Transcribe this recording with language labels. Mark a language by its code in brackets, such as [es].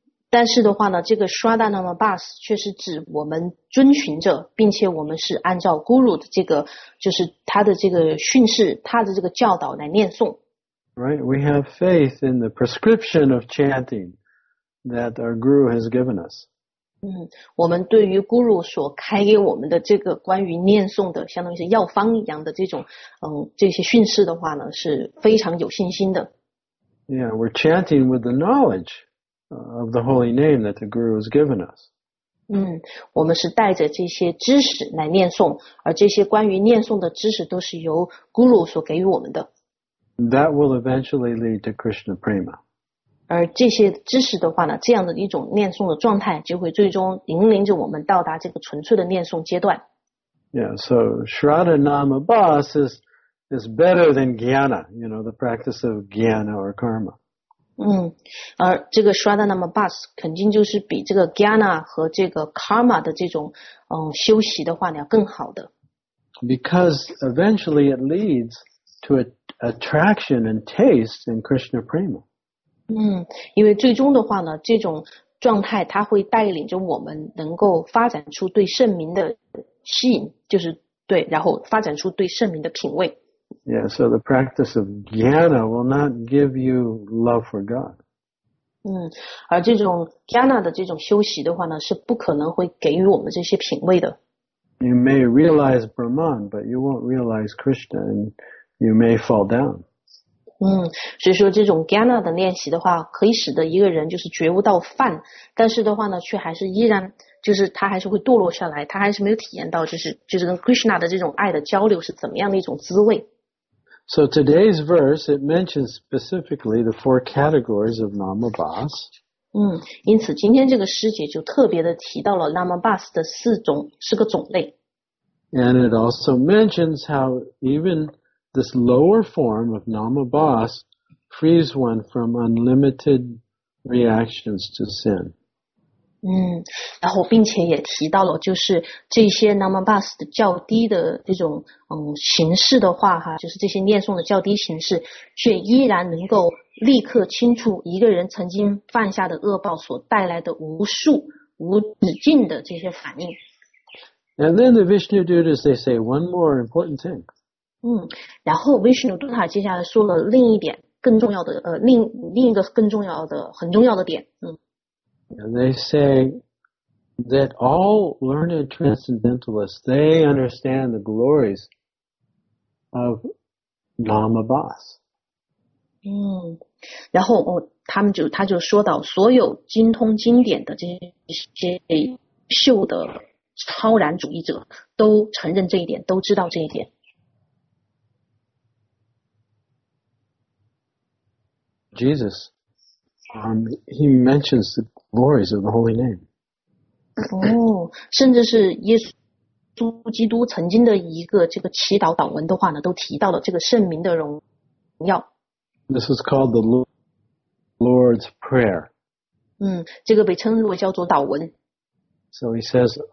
[zh] 但是的话呢，这个 Shraddha Nama Bas 却是指我们遵循着，并且我们是按照 guru 的这个，就是他的这个训示，他的这个教导来念诵。 [en] Right, we have faith in the prescription of chanting. That our guru has given us. [zh] 我们对于 guru 所开给我们的这个关于念诵的，相当于是药方一样的这种，这些训示的话呢，是非常有信心的。 [en] Yeah, we're chanting with the knowledge of the holy name that the guru has given us. [zh] 我们是带着这些知识来念诵，而这些关于念诵的知识都是由 guru 所给予我们的。 [en] That will eventually lead to Krishna Prema. [zh] 而这些知识的话呢，这样的一种念诵的状态就会最终引领着我们到达这个纯粹的念诵阶段。 [en] Yeah, so Shraddha Nama Bhas is better than Jnana, you know, the practice of Jnana or Karma. [zh] 嗯，而这个 Shraddha Nama Bhas 肯定就是比这个 Jnana 和这个 Karma 的这种修习的话呢更好的。 [en] Because eventually it leads to attraction and taste in Krishna Prema. [zh] 嗯，因为最终的话呢，这种状态它会带领着我们能够发展出对圣明的吸引，就是对，然后发展出对圣明的品味。 [en] Yeah, so the practice of jnana will not give you love for God. [zh] 嗯，而这种 jnana 的这种修习的话呢，是不可能会给予我们这些品味的。 [en] You may realize Brahman, but you won't realize Krishna, and you may fall down. [zh] 嗯，所以说这种 jnana 的练习的话，可以使得一个人就是觉悟到梵，但是的话呢，却还是依然。就是他还是会堕落下来，他还是没有体验到就是跟 Krishna 的这种爱的交流是怎么样的一种滋味。 [en] So today's verse, it mentions specifically the four categories of Nama Bhas. [zh] 嗯，因此今天这个师姐就特别的提到了 Nama Bhas 的四个种类。 [en] And it also mentions how even this lower form of Nama Bhas frees one from unlimited reactions to sin. [zh] 嗯，然后并且也提到了，就是这些 Nama Bhas 的较低的这种形式的话哈，就是这些念诵的较低形式，却依然能够立刻清除一个人曾经犯下的恶报所带来的无止境的这些反应。 [en] And then the Vishnu Duttas, they say one more important thing. [zh] 嗯，然后 Vishnu Dutta 接下来说了另一点更重要的另一个更重要的很重要的点，嗯。 [en] They say that all learned transcendentalists, they understand the glories of Nama Bhas. [zh] 嗯，然后他就说到，所有精通经典的这些秀的超然主义者都承认这一点，都知道这一点。 [en] Jesus, he mentions the glories of the holy name. [zh] 甚至是耶稣基督曾经的一个这个祈祷祷文的话呢，都提到了这个圣名的荣耀。 [en] This is called the Lord's Prayer. [zh] 嗯，这个被称为叫做祷文。 [en] So he says,